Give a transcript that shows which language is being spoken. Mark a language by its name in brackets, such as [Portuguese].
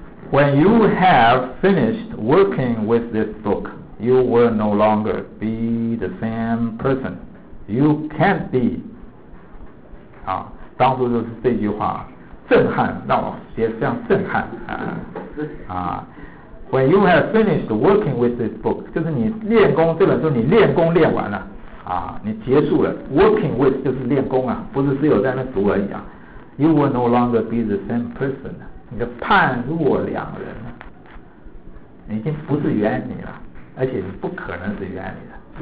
[English] When you have finished working with this book, you will no longer be the same person. You can't be. [Chinese] 啊，当初就是这句话，震撼，让我觉得非常震撼啊。 [English] When you have finished working with this book, [Chinese] 就是你练功，这本书你练功练完了啊，你结束了。 [English] Working with [Chinese] 就是练功啊，不是只有在那读而已啊。 [English] You will no longer be the same person. [Chinese] 你的判若两人了，你已经不是原你了，而且你不可能是原你的。